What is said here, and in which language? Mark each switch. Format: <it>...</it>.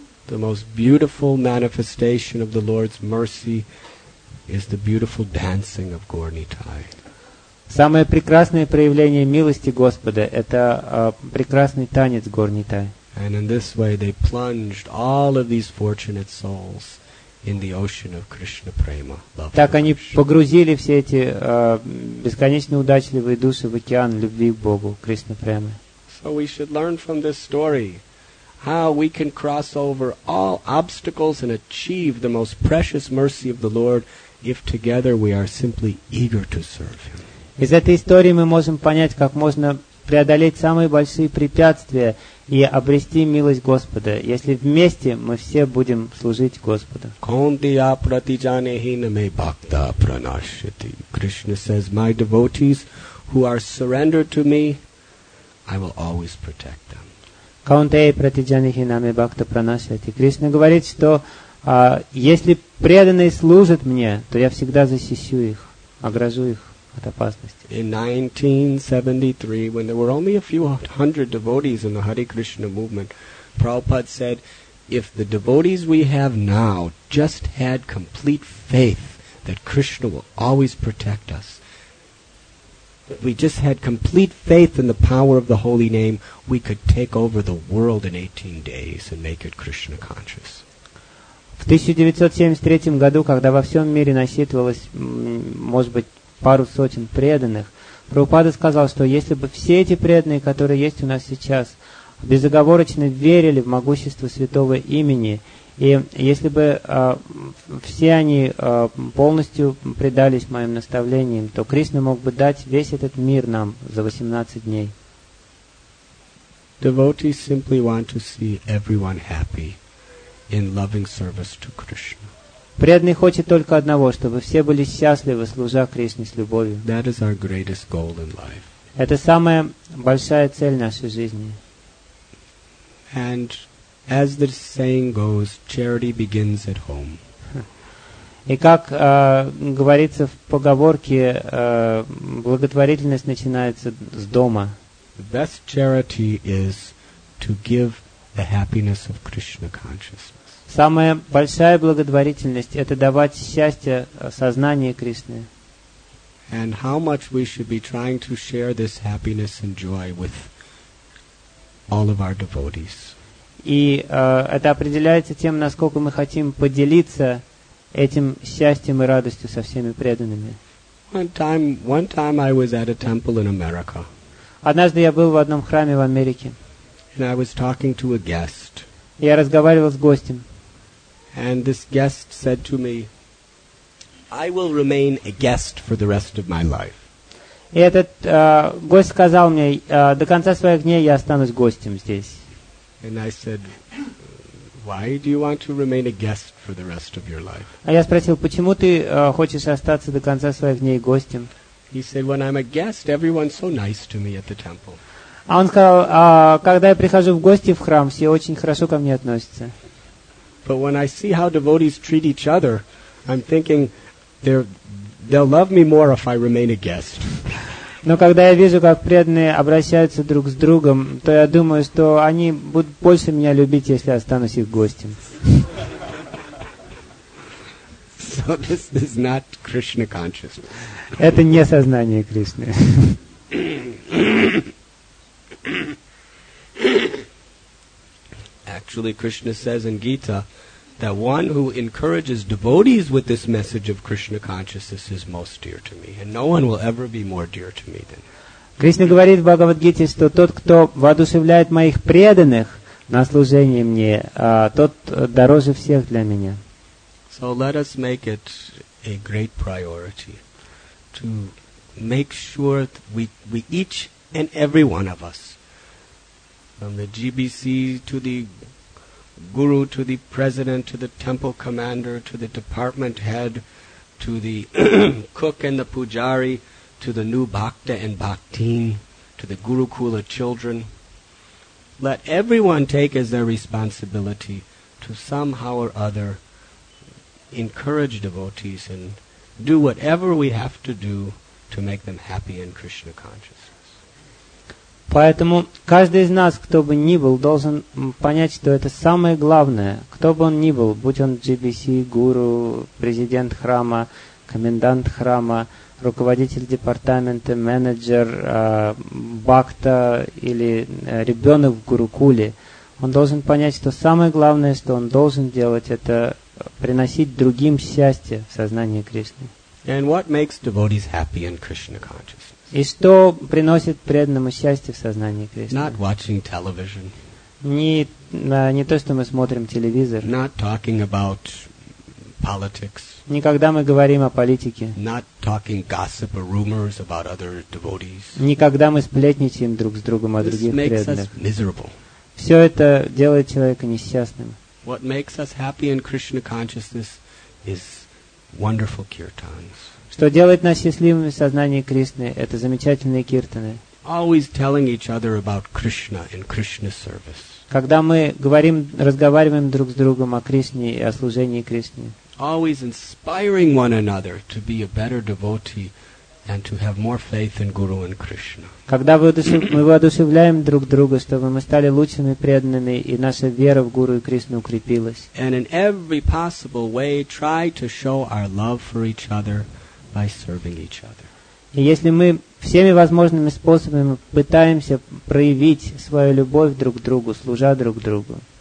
<en>The most beautiful manifestation of the Lord's mercy is the beautiful dancing of Gaur Nithai.</en> <ru>Самое прекрасное проявление милости Господа — это прекрасный танец Гаур Нитхай.</ru> <en>And in this way, they plunged all of these fortunate souls in the ocean of Krishna prema.</en> <ru>Так они погрузили все эти бесконечно удачливые души в океан любви к Богу, Кришна према.</ru> <en>So we should learn from this story how we can cross over all obstacles and achieve the most precious mercy of the Lord if together we are simply eager to serve Him.</en> <ru>Из этой истории мы можем понять, как можно преодолеть самые большие препятствия и обрести милость Господа, если вместе мы все будем служить Господу.</ru> <sa>Kauntiya pratijane hiname bhakta pranashyati.</sa> <en>Krishna says, my devotees who are surrendered to me, I will always protect.</en> <sa>Каунтея пратиджани хинаме бхакта пранашати.</sa> <ru>Кришна говорит, что если преданные служат мне, то я всегда защищу их, огражу их от опасности.</ru> <en>In 1973, when there were only a few hundred devotees in the Hare Krishna movement, Prabhupada said, if the devotees we have now just had complete faith that Krishna will always protect us, we just had complete faith in the power of the holy name, we could take over the world in 18 days and make it Krishna conscious.</en> <ru>В 1973 году, когда во всем мире насчитывалось, может быть, пару сотен преданных, Прабхупада сказал, что если бы все эти преданные, которые есть у нас сейчас, безоговорочно верили в могущество святого имени, и если бы все они полностью предались моим наставлениям, то Кришна мог бы дать весь этот мир нам за 18 дней.</ru> <en>Devotees simply want to see everyone happy in loving service to Krishna.</en> <ru>Преданный хочет только одного, чтобы все были счастливы, служа Кришне с любовью.</ru> <en>That is our greatest goal in life.</en> <ru>Это самая большая цель нашей жизни.</ru> <en>And as the saying goes, charity begins at home.</en> <ru>И как говорится в поговорке, благотворительность начинается с дома.</ru> <en>The best charity is to give the happiness of Krishna consciousness.</en> <ru>Самая большая благотворительность — это давать счастье сознанию Кришны.</ru> <en>And how much we should be trying to share this happiness and joy with all of our devotees.</en> <ru>И это определяется тем, насколько мы хотим поделиться этим счастьем и радостью со всеми преданными.</ru> <en>One time I was at a temple in America.</en> <ru>Однажды я был в одном храме в Америке.</ru> <en>And I was talking to a guest.</en> <ru>Я разговаривал с гостем.</ru> <en>And this guest said to me, I will remain a guest for the rest of my life.</en> <ru>И этот гость сказал мне, до конца своих дней я останусь гостем здесь.</ru> <en>And I said, why do you want to remain a guest for the rest of your life?</en> <ru>А я спросил, почему ты хочешь остаться до конца своих дней гостем?</ru> <en>He said, when I'm a guest, everyone's so nice to me at the temple.</en> <ru>А он сказал, когда я прихожу в гости в храм, все очень хорошо ко мне относятся.</ru> <en>But when I see how devotees treat each other, I'm thinking they'll love me more if I remain a guest.</en> <ru>Но когда я вижу, как преданные обращаются друг с другом, то я думаю, что они будут больше меня любить, если я останусь их гостем.</ru> <en>So this is not Krishna consciousness.</en> <ru>Это не сознание Кришны.</ru> <en>Actually, Krishna says in Gita that one who encourages devotees with this message of Krishna consciousness is most dear to me, and no one will ever be more dear to me than</en> <ru>Krishna говорит в Бхагавад-гите, что тот, кто воодушевляет моих преданных на служение мне, тот дороже всех для меня.</ru> <en>So let us make it a great priority to make sure that we each and every one of us, from the GBC to the guru to the president to the temple commander to the department head to the cook and the pujari to the new bhakta and bhaktin to the gurukula children, let everyone take as their responsibility to somehow or other encourage devotees and do whatever we have to do to make them happy in Krishna consciousness.</en> <ru>Поэтому каждый из нас, кто бы ни был, должен понять, что это самое главное. Кто бы он ни был, будь он GBC, гуру, президент храма, комендант храма, руководитель департамента, менеджер, бхакта или ребенок в гурукуле, он должен понять, что самое главное, что он должен делать, это приносить другим счастье в сознании Кришны.</ru> <en>And what makes devotees happy in Krishna consciousness?</en> <ru>И что приносит преданному счастье в сознании Кришны?</ru> <en>Not watching television.</en> <ru>Не то, что мы смотрим телевизор.</ru> <en>Not talking about politics.</en> <ru>Не когда мы говорим о политике.</ru> <en>Not talking gossip or rumors about other devotees.</en> <ru>Не когда мы сплетничаем друг с другом о других преданных.</ru> <en>This makes us miserable.</en> <ru>Все это делает человека несчастным.</ru> <en>What makes us happy in Krishna consciousness is wonderful kirtans.</en> <ru>Что делает нас счастливыми в сознании Кришны, это замечательные киртаны.</ru> <en>Always telling each other about Krishna and Krishna's service.</en> <ru>Когда мы говорим, разговариваем друг с другом о Кришне и о служении Кришне.</ru> <en>Always inspiring one another to be a better devotee and to have more faith in Guru and Krishna.</en> <ru>Когда мы воодушевляем друг друга, чтобы мы стали лучшими преданными, и наша вера в Гуру и Кришну укрепилась.</ru> <en>And in every possible way try to show our love for each other by serving each other.</en> <ru>И если мы всеми возможными способами пытаемся проявить свою любовь друг к другу, служа друг другу.</ru>